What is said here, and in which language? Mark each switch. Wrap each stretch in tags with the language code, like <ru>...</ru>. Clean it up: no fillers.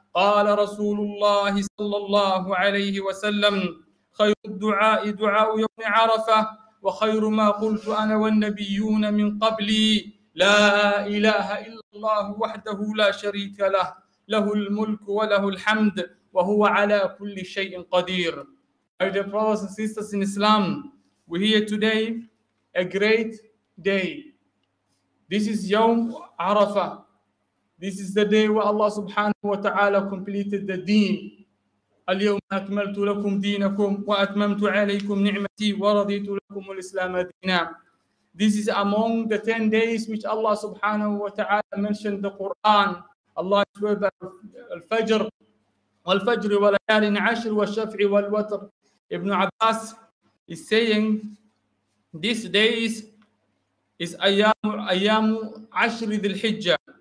<ar>قال رسول الله صلى الله عليه وسلم: خير الدعاء دعاء يوم عرفة، وخير ما قلت أنا والنبيون من قبلي: لا إله إلا الله وحده لا شريك له، له الملك وله الحمد، وهو على كل شيء قدير.</ar> <en>My dear brothers and sisters in Islam, we hear today a great day. This is Yawm Arafah. This is the day where Allah subhanahu wa ta'ala completed the deen.</en> <ar>اليوم أكملت لكم دينكم وأتممت عليكم نعمتي ورضيت لكم الإسلام دينا.</ar> <en>This is among the 10 days which Allah subhanahu wa ta'ala mentioned the Quran.</en> <ar>Allah</ar> <en>swear by</en> <ar>al-fajr, wal-fajr wal-layalin ashr wal-shaf'i wal-watr.</ar> <en>Ibn Abbas is saying, this days is</en> <ar>ayyam ashr dhul-hijjah.</ar>